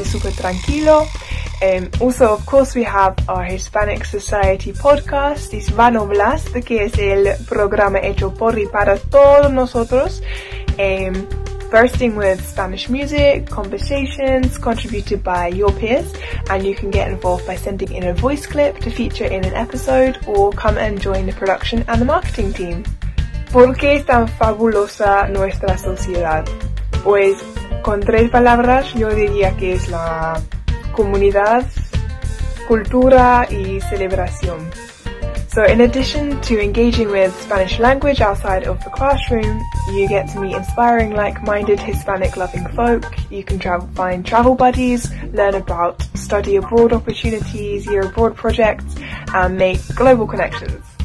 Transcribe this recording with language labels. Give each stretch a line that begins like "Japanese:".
English: It's super tranquilo. Also, of course, we have our Hispanic Society podcast, Hispano Blast,
Spanish: que es el programa hecho por y para todos nosotros.
English: Bursting with Spanish music, conversations contributed by your peers, and you can get involved by sending in a voice clip to feature in an episode or come and join the production and the marketing team.
Spanish: ¿Por qué es tan fabulosa nuestra sociedad? Pues, con tres palabras, yo diría que es la comunidad, cultura y celebración.
English: So in addition to engaging with Spanish language outside of the classroom, you get to meet inspiring, like-minded, Hispanic-loving folk. You can find travel buddies, learn about study abroad opportunities, year abroad projects, and make global connections.